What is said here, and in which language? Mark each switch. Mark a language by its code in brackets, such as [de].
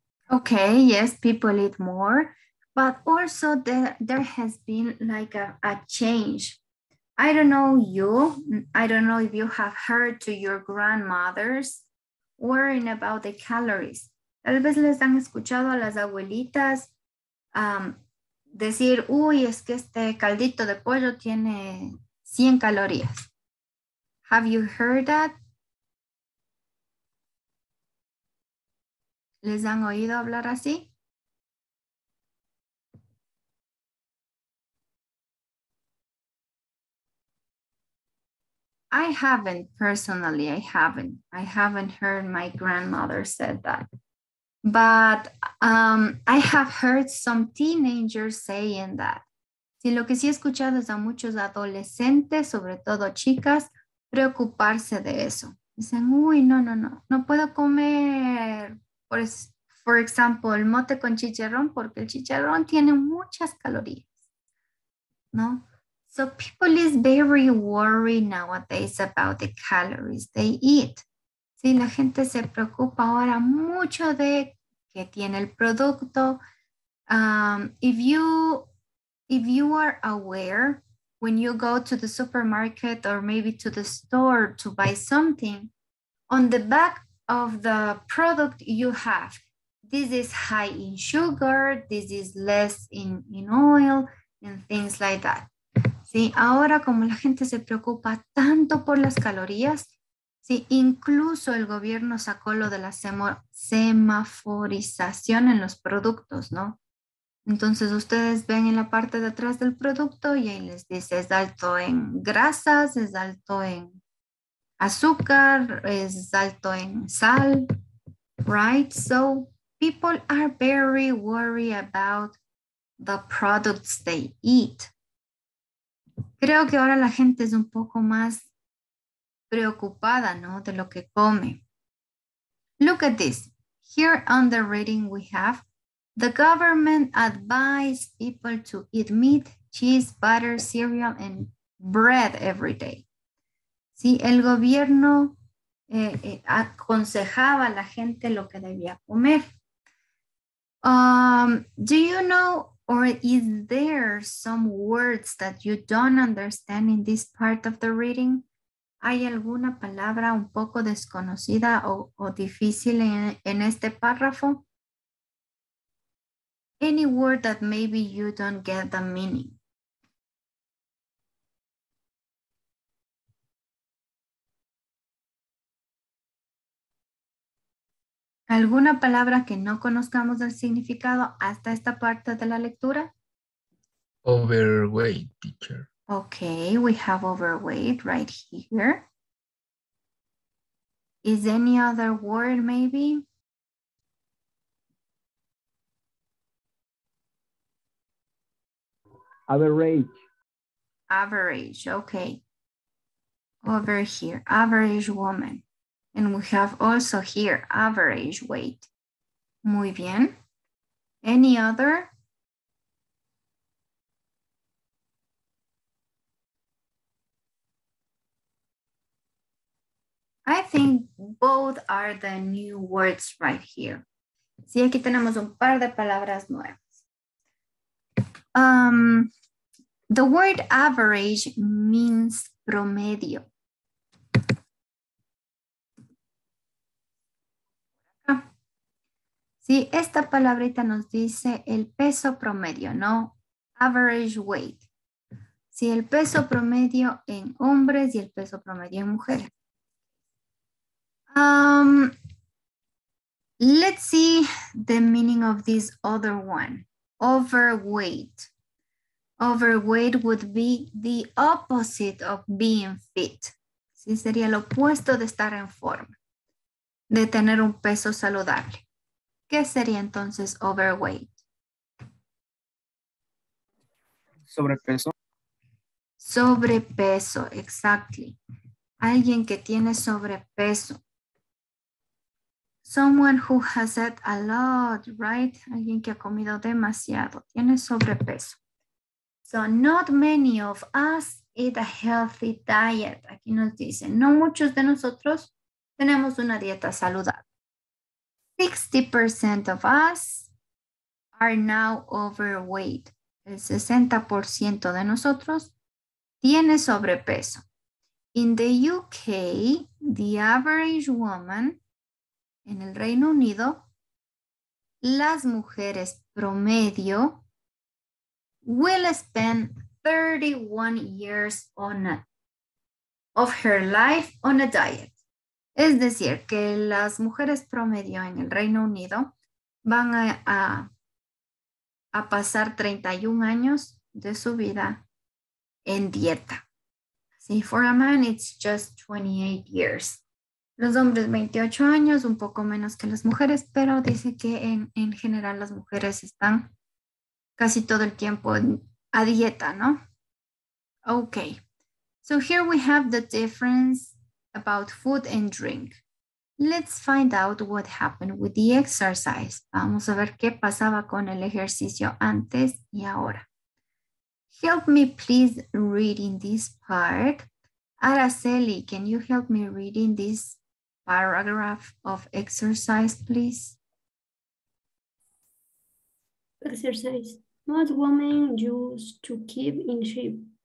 [en] Okay, yes, people eat more, but also there has been like a change. I don't know if you have heard to your grandmothers worrying about the calories. [es] Tal vez les han escuchado a las abuelitas decir, uy, es que este caldito de pollo tiene 100 calorías. [en] Have you heard that? [es] ¿Les han oído hablar así? [en] I haven't personally, I haven't heard my grandmother said that. But I have heard some teenagers saying that. [es] Sí, lo que sí he escuchado es a muchos adolescentes, sobre todo chicas, preocuparse de eso. Dicen, uy, no puedo comer, por ejemplo, el mote con chicharrón, porque el chicharrón tiene muchas calorías, ¿no? [en] So people is very worried nowadays about the calories they eat. [es] Sí, la gente se preocupa ahora mucho de qué tiene el producto. [en] If you are aware, when you go to the supermarket or maybe to the store to buy something, on the back of the product you have, this is high in sugar, this is less in oil, and things like that. [es] Sí, ahora como la gente se preocupa tanto por las calorías, sí, incluso el gobierno sacó lo de la semaforización en los productos, ¿no? Entonces ustedes ven en la parte de atrás del producto y ahí les dice, es alto en grasas, es alto en azúcar, es alto en sal, right? [en] So people are very worried about the products they eat. [es] Creo que ahora la gente es un poco más preocupada, ¿no? De lo que come. [en] Look at this. Here on the reading we have, the government advised people to eat meat, cheese, butter, cereal, and bread every day. [es] Sí, el gobierno aconsejaba a la gente lo que debía comer. [en] Do you know... Or is there some words that you don't understand in this part of the reading? [es] ¿Hay alguna palabra un poco desconocida o difícil en este párrafo? [en] Any word that maybe you don't get the meaning? [es] ¿Alguna palabra que no conozcamos el significado hasta esta parte de la lectura? [en] Overweight, teacher. Okay, we have overweight right here. Is any other word maybe? Average. Average, okay. Over here, average woman. And we have also here, average weight. [es] Muy bien. [en] Any other? I think both are the new words right here. [es] Sí, aquí tenemos un par de palabras nuevas. [en] The word average means promedio. [es] Sí, esta palabrita nos dice el peso promedio, ¿no? [en] Average weight. [es] Sí, el peso promedio en hombres y el peso promedio en mujeres. [en] Let's see the meaning of this other one. Overweight. Overweight would be the opposite of being fit. [es] Sí, sería lo opuesto de estar en forma, de tener un peso saludable. ¿Qué sería entonces overweight? Sobrepeso. Sobrepeso, exactly. Alguien que tiene sobrepeso. [en] Someone who has had a lot, right? [es] Alguien que ha comido demasiado, tiene sobrepeso. [en] So not many of us eat a healthy diet. [es] Aquí nos dice, no muchos de nosotros tenemos una dieta saludable. [en] 60% of us are now overweight. [es] El 60% de nosotros tiene sobrepeso. [en] In the UK, the average woman [es] En el Reino Unido, las mujeres promedio [en] will spend 31 years of her life on a diet. [es] Es decir, que las mujeres promedio en el Reino Unido van a pasar 31 años de su vida en dieta. [en] See, for a man, it's just 28 years. [es] Los hombres 28 años, un poco menos que las mujeres, pero dice que en general las mujeres están casi todo el tiempo a dieta, ¿no? [en] Okay, so here we have the difference about food and drink. Let's find out what happened with the exercise. Vamos a ver qué pasaba con el ejercicio antes y ahora. Help me please read in this part. Araceli, can you help me read in this paragraph of exercise, please? Exercise. Most women used to keep in shape.